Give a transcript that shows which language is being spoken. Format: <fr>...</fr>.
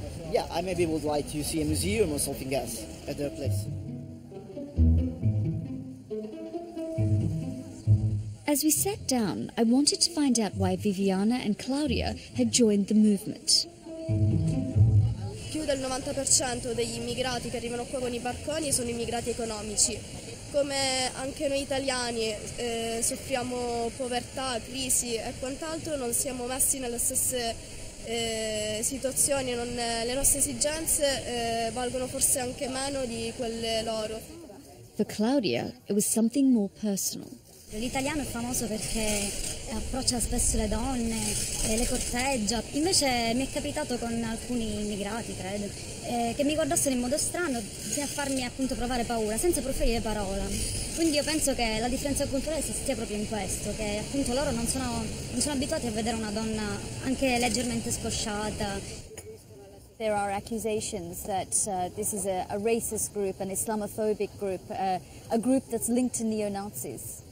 <en>Yeah, I maybe would like to see a museum or something else at their place. As we sat down, I wanted to find out why Viviana and Claudia had joined the movement.</en> <it>Più del 90% degli immigrati che arrivano qua con I barconi sono immigrati economici. Come anche noi italiani soffriamo povertà, crisi e quant'altro, non siamo messi nelle stesse situazioni, non, le nostre esigenze valgono forse anche meno di quelle loro.</it> <en>For Claudia, it was something more personal.</en> <it>L'italiano è famoso perché approccia spesso le donne, le corteggia. Invece mi è capitato con alcuni immigrati, credo, che mi guardassero in modo strano, fino a farmi appunto provare paura, senza proferire parola. Quindi io penso che la differenza culturale stia proprio in questo, che appunto loro non sono abituati a vedere una donna anche leggermente scosciata.</it> <en>There are accusations that this is a racist group, an Islamophobic group, a group that's linked to neo-Nazis.</en>